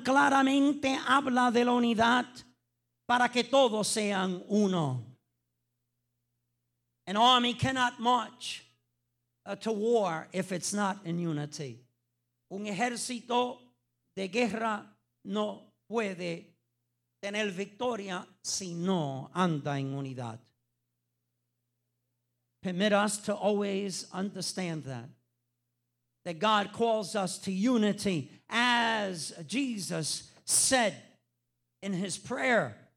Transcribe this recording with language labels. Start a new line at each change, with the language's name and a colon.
Spanish: Claramente habla de la unidad para que todos sean uno.
English: An army cannot march to war if it's not in unity.
Spanish: Un ejército de guerra no puede tener victoria si no anda en unidad.
English: Permit us to always understand that. That God calls us to unity, as Jesus said in his prayer.